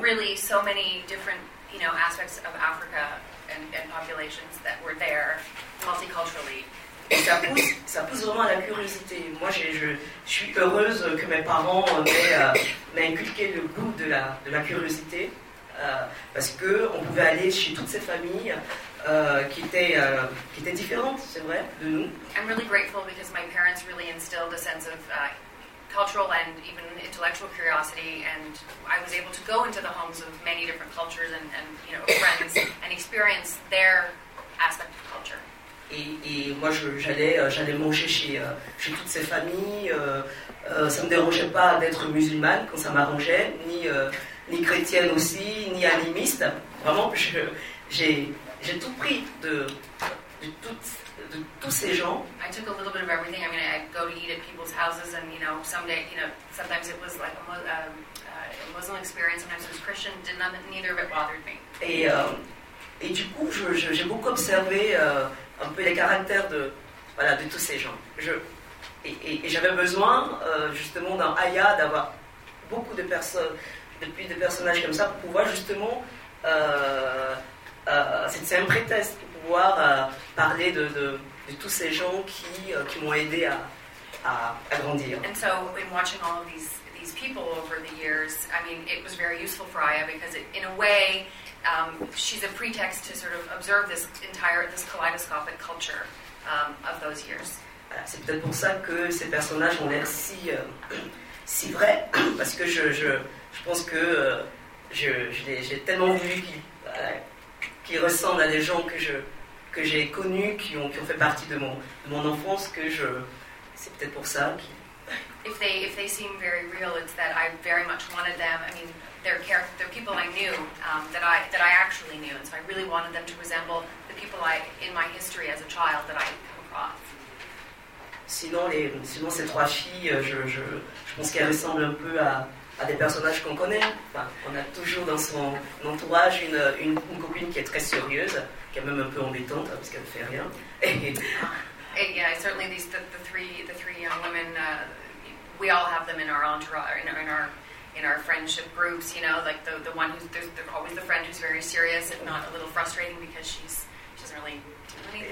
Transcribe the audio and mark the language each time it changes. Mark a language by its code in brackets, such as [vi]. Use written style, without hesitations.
[en] Really, so many different, you know, aspects of Africa and populations that were there multiculturally. [fr] Et ça pousse vraiment à la curiosité. Moi, je suis heureuse que mes parents m'aient inculqué le goût de la curiosité, parce que on pouvait aller chez toutes ces familles qui étaient différentes, c'est vrai, de nous. [en] I'm really grateful because my parents really instilled a sense of cultural and even intellectual curiosity, and I was able to go into the homes of many different cultures and you know, friends and experience their aspect of culture. [fr] Et moi, j'allais manger chez toutes ces familles. Ça ne me dérangeait pas d'être musulmane quand ça m'arrangeait, ni chrétienne aussi, ni animiste. Vraiment, j'ai tout pris de tous ces gens. [en] I took a little bit of everything. I mean, I go to eat at people's houses, and you know, someday, you know, sometimes it was like a Muslim experience, sometimes it was Christian. Neither of it bothered me. [fr] Et du coup, j'ai beaucoup observé un peu les caractères de tous ces gens. Et j'avais besoin justement d'un Aya, d'avoir beaucoup de personnes, depuis des personnages comme ça, pour pouvoir justement, c'est un prétexte pour pouvoir parler de tous ces gens qui m'ont aidé à grandir. [en] And so, in watching all of these people over the years, I mean, it was very useful for Aya because in a way, she's a pretext to sort of observe this kaleidoscopic culture of those years. [fr] Voilà, c'est peut-être pour ça que ces personnages ont l'air si vrais, parce que je pense que j'ai tellement vu qu'ils ressemblent à des gens que j'ai connus qui ont fait partie de mon enfance, que je c'est peut-être pour ça. [en] If they seem very real, it's that I very much wanted them. I mean, they're people I knew that I actually knew, and so I really wanted them to resemble the people I in my history as a child that I came across. [fr] Sinon ces trois filles, je pense qu'elles ressemblent un peu à des personnages qu'on connaît. Enfin, on a toujours dans son entourage une copine qui est très sérieuse, qui est même un peu embêtante parce qu'elle ne fait rien. [en] Yeah, certainly the three young women. We all have them in our entourage, in our friendship groups. You know, like the one who's there's always the friend who's very serious, if not a little frustrating because she doesn't really do anything.